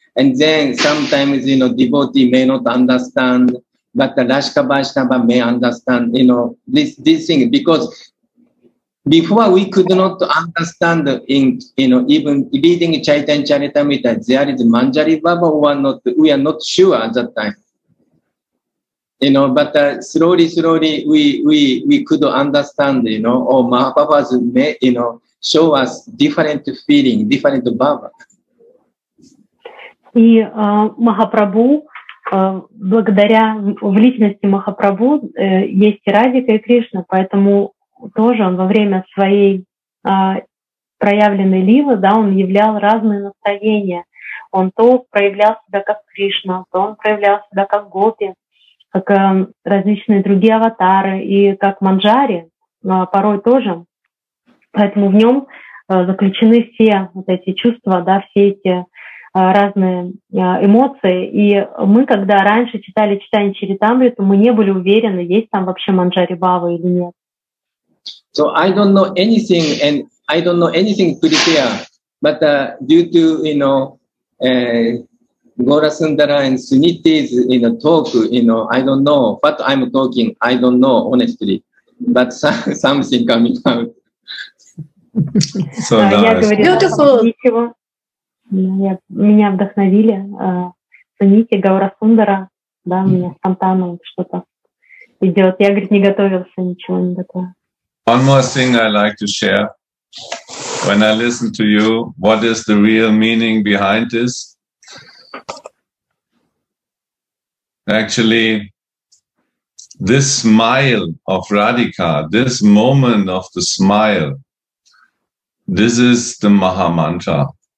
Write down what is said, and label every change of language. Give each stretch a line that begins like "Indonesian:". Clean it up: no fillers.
English: And then sometimes, you know, devotee may not understand, but the Rashka Vaishnava may understand, you know, this thing, because before we could not understand in, you know, even reading Chaitanya Charitamrita, there is Manjari Baba or not, we are not sure at that time. You know, but slowly we could understand, you know, or Mahaprabhu's may, you know, show us different feeling, different Baba.
Russian: И Махапрабху, благодаря в личности Махапрабху есть и Радика, и Кришна, поэтому тоже он во время своей проявленной лилы, да, он являл разные настроения. Он то проявлял себя как Кришна, то он проявлял себя как Гопи, как различные другие аватары и как Манджари, порой тоже. Поэтому в нем заключены все вот эти чувства, да, все эти разные эмоции. И мы, когда раньше читали Чайтанья Чаритамриту, мы не были уверены, есть там вообще Манджари Бава или нет.
English: So I don't know anything, and I don't know anything prepared, but due to, you know, Gaura Sundara and Suniti's, you know, talk, you know, I don't know what I'm talking, I don't know, honestly, but something coming out. So nice.
Russian: Я говорю,
English: beautiful.
Russian: Меня вдохновили Суните Гаурасундара, да, у меня спонтанно что-то идет. Я, говорит, не готовился ничего не такого.
English: One more thing I like to share. When I listen to you, what is the real meaning behind this? Actually, this smile of Radhika, this moment of the smile, this is the Mahamantra.